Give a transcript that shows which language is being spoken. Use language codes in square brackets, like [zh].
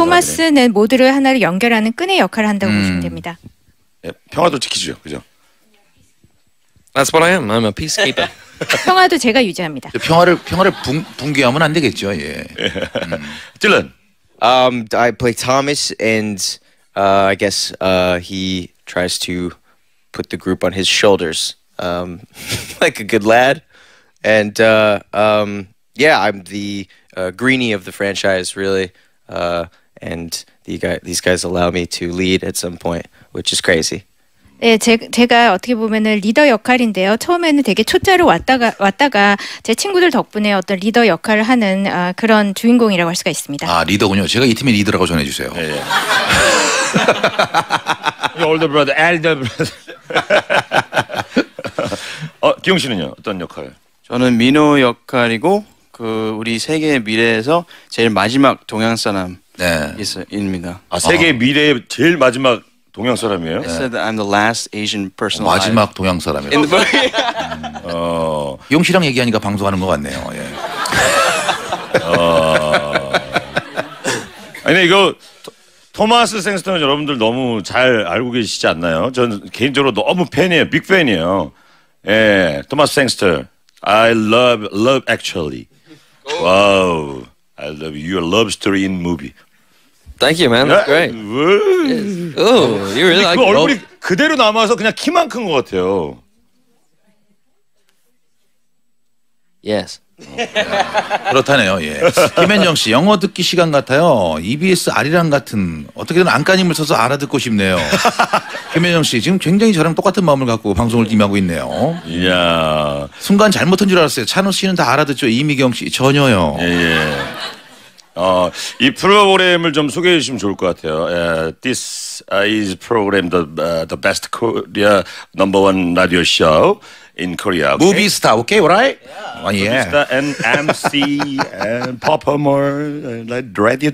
[ko] 토마스는 모두를 하나로 연결하는 끈의 역할을 한다고 보시면 됩니다. 예, 평화도 지키죠, 그죠? [en] That's what I am. I'm a peacekeeper. [ko] 평화도 제가 유지합니다. 평화를 붕괴하면 안 되겠죠. 예. [en] Dylan. I play Thomas, and I guess he tries to put the group on his shoulders, like a good lad. And yeah, I'm the greenie of the franchise, really. And these guys allow me to lead at some point, which is crazy. [ko] 예, 제가 어떻게 보면은 리더 역할인데요. 처음에는 되게 초짜로 왔다가 제 친구들 덕분에 어떤 리더 역할을 하는 그런 주인공이라고 할 수가 있습니다. 아, 리더군요. 제가 이 팀의 리더라고 전해 주세요. [en] 예. Older brother, elder brother. [ko] 기용 씨는요? 어떤 역할? 저는 민호 역할이고 그 우리 세계의 미래에서 제일 마지막 동양 사람. 네. 입니다. 아, 세계의 미래의 제일 마지막 동양 사람이에요? [en] I said that I'm the last Asian person alive. [ko] 마지막 동양 사람이에요. [en] In the book. [ko] 용 씨랑 얘기하니까 방송하는 것 같네요. 예. 아니 이거 토마스 생스턴 여러분들 너무 잘 알고 계시지 않나요? 전 개인적으로 너무 팬이에요. 빅 팬이에요. [en] 예, 토마스 생스턴. I love actually. Wow. I love your love story in movie. Thank you, man. That's great. Yeah. Yes. Oh, you really like it. [ko] 얼굴이 그대로 남아서 그냥 키만 큰 것 같아요. [en] Yes. [ko] 그렇다네요. 예. 김현정 씨, 영어 듣기 시간 같아요. EBS 아리랑 같은 어떻게든 안간힘을 써서 알아듣고 싶네요. 김현정 씨, 지금 굉장히 저랑 똑같은 마음을 갖고 방송을 임하고 있네요. 이야. 순간 잘못한 줄 알았어요. 찬호 씨는 다 알아듣죠. 이미경 씨 전혀요. 예. 예. 이 프로그램을 좀 소개해 주시면 좋을 것 같아요. [en] This is program the best Korea number one radio show in Korea. Okay? Movie star, okay, right? Yeah. Movie star and MC and performer, like radio